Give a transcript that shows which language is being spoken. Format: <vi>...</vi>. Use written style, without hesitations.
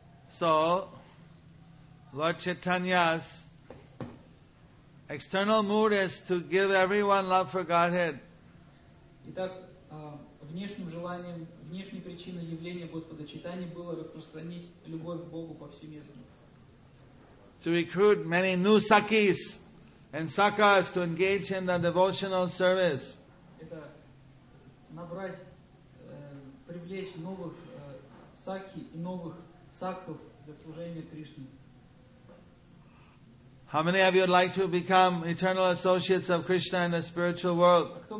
<en>So, Lord Chaitanya's external mood is to give everyone love for Godhead.</en> <ru>Итак, внешним желанием, внешней причиной явления Господа Чайтаньи было распространить любовь к Богу повсеместно.</ru> <en>To recruit many new sakis and sakas to engage in the devotional service.</en> <ru>Это набрать, привлечь новых саки и новых саков для служения Кришне.</ru> <en>How many of you would like to become eternal associates of Krishna in the spiritual world?</en>